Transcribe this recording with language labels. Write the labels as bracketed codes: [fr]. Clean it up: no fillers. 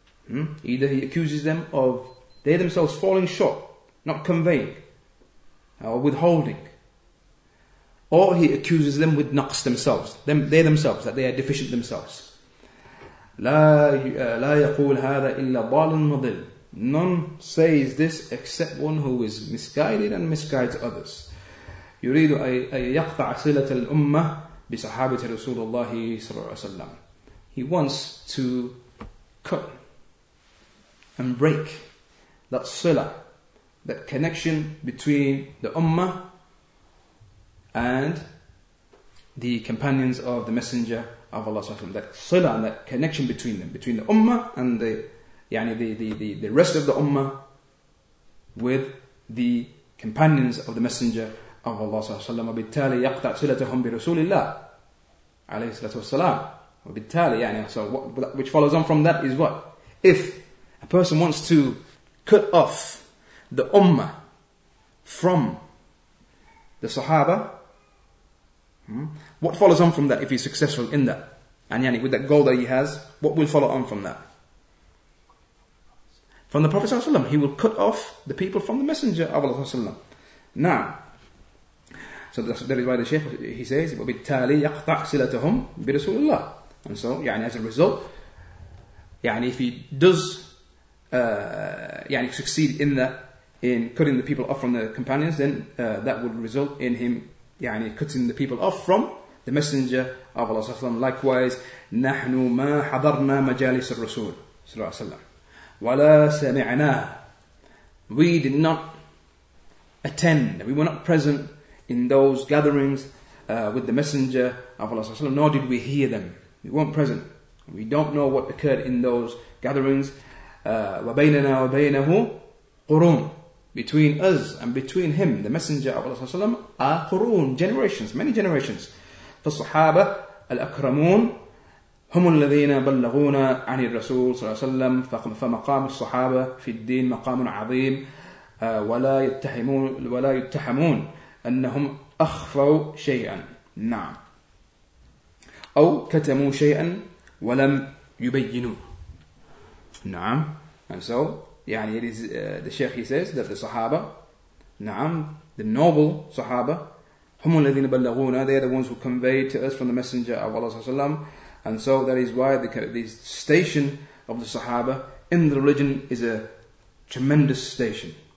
[en] Either he accuses them of they themselves falling short, not conveying or withholding, or he accuses them with naqs themselves, they themselves, that they are deficient themselves. [ar] لا يقول هذا إلا ضال مضل. [en] None says this except one who is misguided and misguides others. [ar] يريد أن يقطع صلة الأمة بصحابة رسول الله صلى الله عليه وسلم. [en] He wants to cut and break that sila, that connection between the Ummah and the companions of the Messenger of Allah صلى الله عليه وسلم. That sila and that connection between them, between the Ummah and the rest of the Ummah with the companions of the Messenger of Allah صلى الله عليه وسلم. [ar] وبالتالي يقطع صلتهم برسول الله عليه الصلاة والسلام. [en] وبالتالي so what, which follows on from that is what? If a person wants to cut off the Ummah from the Sahaba, what follows on from that if he's successful in that? And with that goal that he has, what will follow on from that? From the Prophet صلى الله عليه وسلم, he will cut off the people from the Messenger of Allah صلى الله عليه وسلم. Now, so that is why the Shaykh, he says, [ar] وَبِالتَّالِي يَقْطَعْ سِلَتَهُمْ بِرَسُولِ اللَّهِ. [en] And so, as a result, if he does succeed in that, in cutting the people off from the companions, then that would result in him cutting the people off from the Messenger of Allah صلى الله عليه وسلم. [ar] Likewise, نَحْنُ مَا حَضَرْنَا مَجَالِسَ الرَّسُولِ صلى الله عليه وسلم. وَلَا سَمِعْنَا. [en] We did not attend, we were not present in those gatherings with the Messenger of Allah, nor did we hear them. We weren't present. We don't know what occurred in those gatherings. [ar] وَبَيْنَنَا وَبَيْنَهُ قُرُون. [en] Between us and between him, the Messenger of Allah, are قُرُون, generations, many generations. [ar] فَالصُحَابَ الْأَكْرَمُونَ هم الذين بلغونا عن الرسول صلى الله عليه وسلم. فمقام الصحابة في الدين مقام عظيم. ولا يتهمون أنهم أخفوا شيئا. نعم. أو كتموا شيئا ولم يبينوا. نعم. [en] And so, it is the Sheikh, he says that the Sahaba, نعم, the noble Sahaba, [ar] هم الذين بلغونا, [en] they are the ones who conveyed to us from the Messenger of Allah صلى الله عليه وسلم. And so that is why the station of the Sahaba in the religion is a tremendous station.